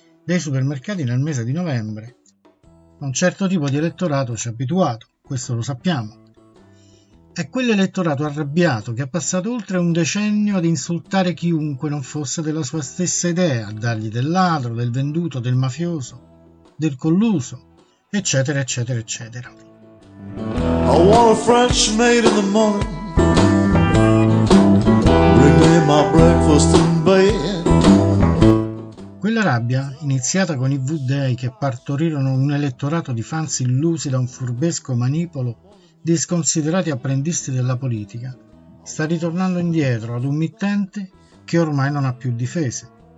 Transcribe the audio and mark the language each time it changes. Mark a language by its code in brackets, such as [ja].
[it] dei supermercati nel mese di novembre. Un certo tipo di elettorato ci ha abituato, questo lo sappiamo. È quell'elettorato arrabbiato che ha passato oltre un decennio ad insultare chiunque non fosse della sua stessa idea, a dargli del ladro, del venduto, del mafioso, del colluso, eccetera, eccetera, eccetera. [en] I want a French maid in the morning, bring me my breakfast in bed. [it] Quella rabbia, iniziata con i V-Day che partorirono un elettorato di fans illusi da un furbesco manipolo di sconsiderati apprendisti della politica, sta ritornando indietro ad un mittente che ormai non ha più difese.